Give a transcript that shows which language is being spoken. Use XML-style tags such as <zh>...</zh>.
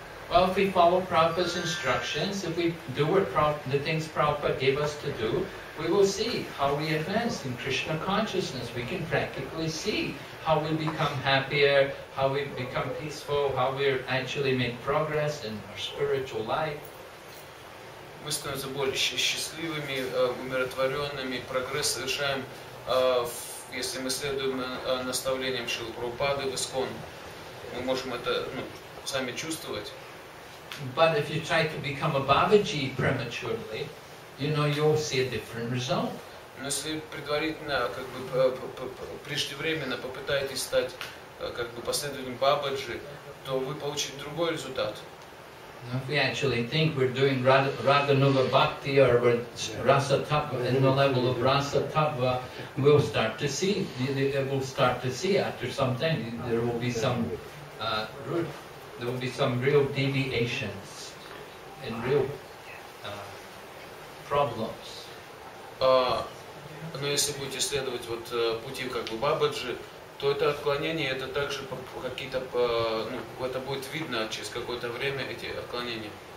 <en>Well, if we follow Prabhupada's instructions, if we do what the things Prabhupada gave us to do, we will see how we advance in Krishna consciousness. We can practically see how we become happier, how we become peaceful, how we actually make progress in our spiritual life.</en> <ru>Мы становимся более счастливыми, умиротворенными, прогресс совершаем, если мы следуем наставлениям Шрилы Прабхупады в Искон. Мы можем это ну, сами чувствовать.</ru> <en>But if you try to become a Бабаджи prematurely, you know you'll see a different result.</en> <ru>Но если предварительно, как бы преждевременно попытаетесь стать как бы последователем Бабаджи, то вы получите другой результат.</ru> <en>If we actually think we're doing Raghunuga Bhakti or Rasa Tattva in the level of Rasa Tattva, we'll start to see after some time there will be some real deviations and real problems.</en> <ru>Но если будете следовать вот пути как бы Бабаджи, то это отклонение, это также какие-то, ну, это будет видно через какое-то время, эти отклонения.</ru>